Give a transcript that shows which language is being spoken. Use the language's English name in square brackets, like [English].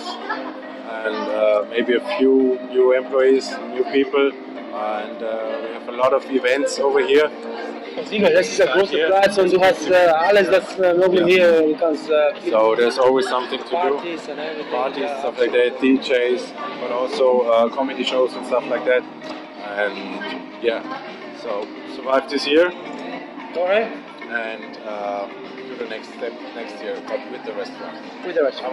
[English] And maybe a few new employees, new people. And we have a lot of events over here. [German] Das ist ein großer Platz und du hast alles, was möglich hier. Du kannst, [English] so, there's always something to parties do. And everything. Parties, stuff like that, DJs, but also comedy shows and stuff like that. And yeah, so survive this year. Alright. And do the next step next year, but with the restaurant. With the restaurant.